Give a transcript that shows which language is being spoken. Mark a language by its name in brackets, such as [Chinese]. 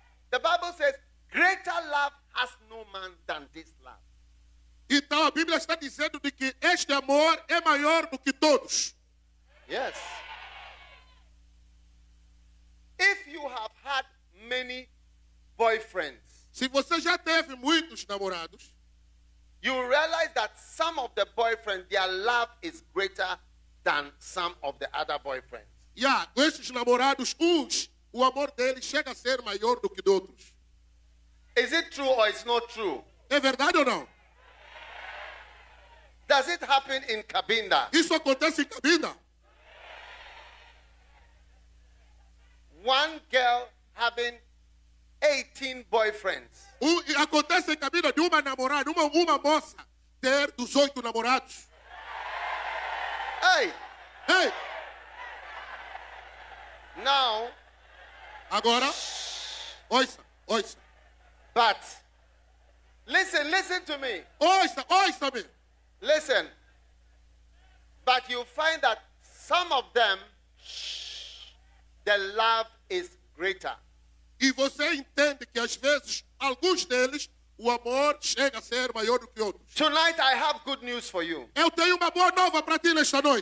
[English] The Bible says, greater love has no man than this love. [Portuguese] Então a Bíblia está dizendo de que este amor é maior do que todos. [English] Yes. If you have had many boyfriends, [Portuguese] se você já teve muitos namorados, [English] you realize that some of the boyfriends, their love is greater than some of the other boyfriends. [Portuguese] Yeah, com esses namorados, uns, o amor deles chega a ser maior do que de outros. [English] Is it true or it's not true? [Portuguese] É verdade ou não? [English] Does it happen in Cabinda? [Portuguese] Isso acontece em Cabinda? [English] One girl having 18 boyfriends. [Portuguese] Acontece em Cabinda de uma namorada, uma moça ter 18 namorados. Hey! Hey! [English] Now. [Portuguese] Agora. Ouça. [English] But. Listen to me. [Portuguese] Ouça-me. [English] Listen. But you find that some of them, the love is greater. [Portuguese] E você entende que às vezes alguns deles o amor chega a ser maior do que outros. [English] Tonight I have good news for you. [Portuguese] Eu tenho uma boa nova para ti nesta noite.